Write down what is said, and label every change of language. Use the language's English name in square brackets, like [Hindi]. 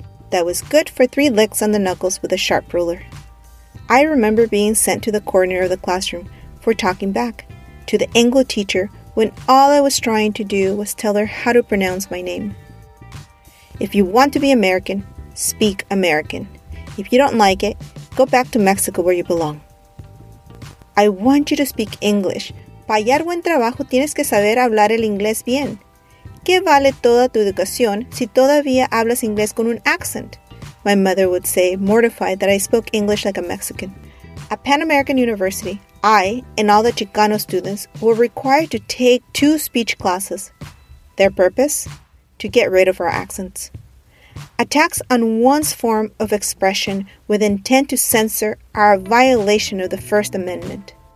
[English] That was good for 3 licks on the knuckles with a sharp ruler. I remember being sent to the corner of the classroom for talking back to the Anglo teacher when all I was trying to do was tell her how to pronounce my name. If you want to be American, speak American. If you don't like it, go back to Mexico where you belong. I want you to speak English. [Spanish] Para hallar buen trabajo tienes que saber hablar el inglés bien. ¿Qué vale toda tu educación si todavía hablas inglés con un accent? [English] My mother would say, mortified that I spoke English like a Mexican. At Pan American University, I and all the Chicano students were required to take 2 speech classes. Their purpose? To get rid of our accents. Attacks on one's form of expression with intent to censor are a violation of the First Amendment.